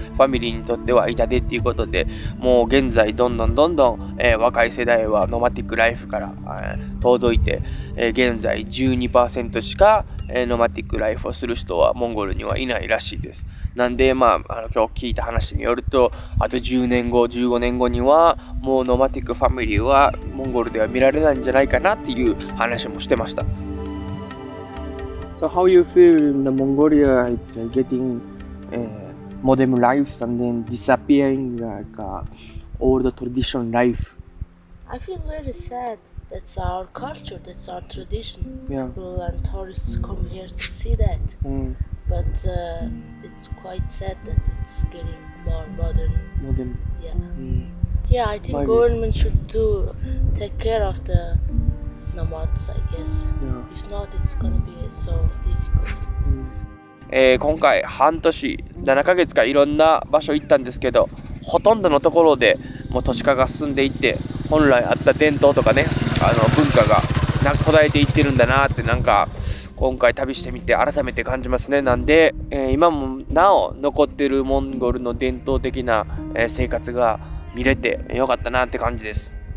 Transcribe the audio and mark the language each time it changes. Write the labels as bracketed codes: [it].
[ja] ァミリーにとっては痛手っていうことで、もう現在どんどんどんどん、若い世代はノマティックライフから、遠ぞいて、現在 12% しかノマティックライフをする人はモンゴルにはいないらしいです。なんで、まあ、今日聞いた話によると、あと10年後15年後にはもうノマティックファミリーはモンゴルでは見られないんじゃないかなっていう話もしてました。 [en] So how you feel in the Mongolia is getting modern lives and then disappearing like old tradition life? I feel really sadThat's our culture, that's our tradition. Yeah. People and tourists come here to see that. But it's quite sad that it's getting more modern. Modern. Yeah. Yeah, I think government should take care of the nomads, I guess. Yeah. If not, it's going to be so difficult. [ja] 今回半年7ヶ月かいろんな場所行ったんですけど、ほとんどのところでもう都市化が進んでいって、本来あった伝統とかね、あの文化が途絶えていってるんだなって、なんか今回旅してみて改めて感じますね。なんで、今もなお残ってるモンゴルの伝統的な、生活が見れてよかったなって感じです。